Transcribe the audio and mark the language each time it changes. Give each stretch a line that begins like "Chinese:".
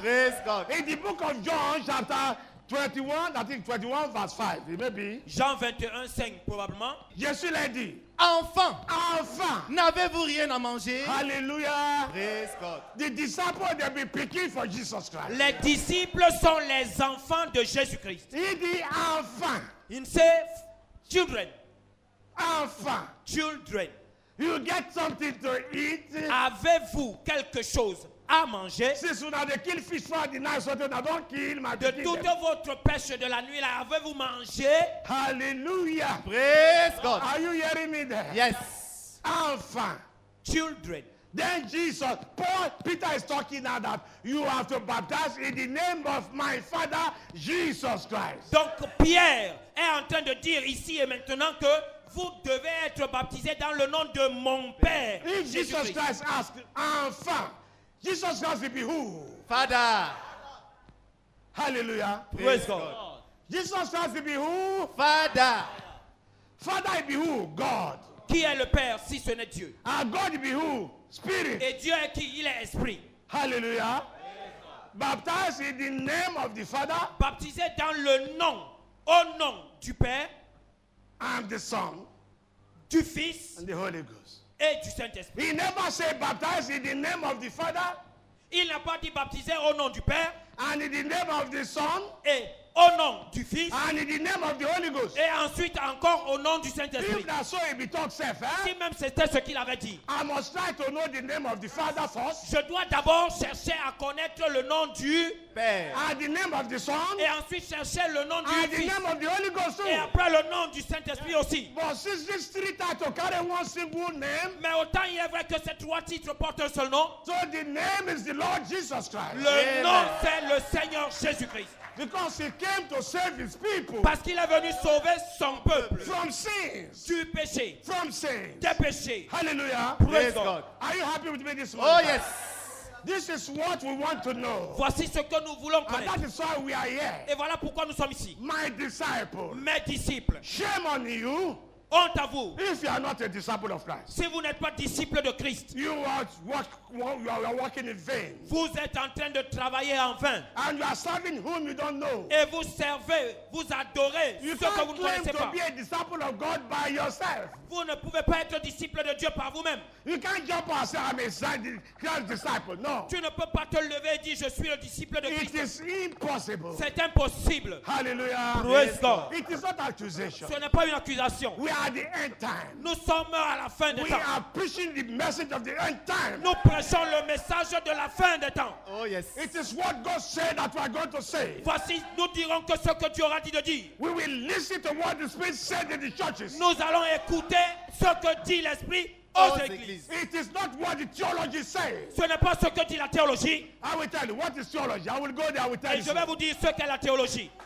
English: Praise God. In the book of John, chapter 21, I think 21 verse 5, it may be.
French: Jean 21, 5, probablement. Jésus l'a dit. Enfant, n'avez-vous rien à manger? Hallelujah. Praise God.
English: The disciples they be picking for Jesus Christ.
French: Les disciples sont les enfants de Jésus-Christ. Il dit enfant. Il dit children. Enfant.
English: Children. You get something to eat.
French: Avez-vous quelque chose à manger?
English: Since you have killed fish for the night, so that I don't kill my
French: de toute
English: them.
French: Votre pêche de la nuit, là, avez-vous mangé?
English: Hallelujah. Praise God. Are you hearing me there? Yes.
French: Enfant.
English: Children. Then Jesus, Peter is talking now that you have to baptize in the name of my father, Jesus Christ.
French: Donc Pierre est en train de dire ici et maintenant que vous devez être baptisé dans le nom de mon père.
English: If Jesus Christ asked, enfant. Jesus Christ will be who? Father. Hallelujah. Praise God. God. Jesus Christ will be who? Father. Father will be who? God.
French: Qui est le Père si ce n'est Dieu?
English: And God will be who? Spirit.
French: Et Dieu est qui? Il est Esprit.
English: Hallelujah. Baptized in the name of the Father.
French: Baptisé dans le nom, au nom du Père.
English: And the Son.
French: Du Fils.
English: And the Holy Ghost.
French: Et du Saint-Esprit.
English: He never said baptized in the name of the Father.
French: Il n'a pas dit baptisé au nom du Père.
English: And in the name of the Son.
French: Et au nom du Fils.
English: And in the name of the Holy Ghost.
French: Et ensuite encore au nom du Saint-Esprit.
English: Even so, he be talk self, hein?
French: Si même c'était ce qu'il avait dit.
English: I must try to know the name of the Father first.
French: Je dois d'abord chercher à connaître le nom du Père.
English: And the name of the Son.
French: Et ensuite chercher le nom du
English: and
French: Fils.
English: And the name of the Holy Ghost too.
French: Et après le nom du Saint-Esprit aussi.
English: But since these three titles carry one single name.
French: Mais autant il est vrai que ces trois titres portent un seul nom.
English: So the name is the Lord Jesus Christ.
French: Le nom c'est le Seigneur Jésus-Christ.
English: Because he came to save his people.
French: Parce qu'il est venu sauver son peuple.
English: From sins.
French: Du péché.
English: From sins.
French: Des péchés.
English: Hallelujah. Praise God. Are you happy with me this morning? Oh yes. This is what we want to know.
French: Voici ce que nous voulons connaître.
English: And that is why we are here.
French: Et voilà pourquoi nous sommes ici.
English: My disciple.
French: Mes disciples.
English: Shame on you.
French: Honte à vous.
English: If you are not a disciple of Christ,
French: si vous n'êtes pas disciple de Christ,
English: you are working in vain.
French: Vous êtes en train de travailler en vain.
English: And you are serving whom you don't know.
French: Et vous servez, vous adorez
English: you
French: ce que vous ne connaissez
English: to
French: pas.
English: Be a disciple of God by yourself.
French: Vous ne pouvez pas être disciple de Dieu par vous-même.
English: You can't jump and say, I'm a Christ disciple. No.
French: Tu ne peux pas te lever et dire, je suis le disciple de Christ.
English: It is impossible.
French: C'est impossible.
English: Hallelujah. Praise God. It is not accusation.
French: Ce n'est pas une accusation.
English: We are at the end time.
French: Nous sommes à la fin des temps.
English: We are preaching the message of the end time.
French: Nous prêchons le message de la fin des temps.
English: Oh yes. It is what God said that we are going to say.
French: Voici, nous dirons que ce que Dieu aura dit de dire.
English: We will listen to what the Spirit said in the churches.
French: Nous allons écouter ce que dit l'Esprit aux églises.
English: It is not what the theology says.
French: Ce n'est pas ce que dit la théologie.
English: I will tell you what is theology. I will go there. I will tell
French: Et je vais vous dire ce qu'est la théologie.